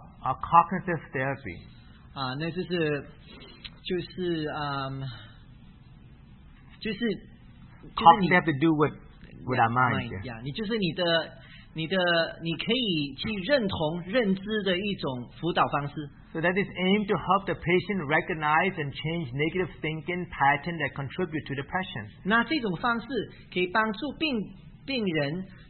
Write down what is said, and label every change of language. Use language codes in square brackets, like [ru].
[en] a cognitive therapy [zh] 那就是 [en] cognitive to do with our mind. Yeah, [zh] 你可以去认同认知的一种辅导方式。 [en] So that is aimed to help the patient recognize and change negative thinking patterns that contribute to depression. [zh] 那这种方式可以帮助病人。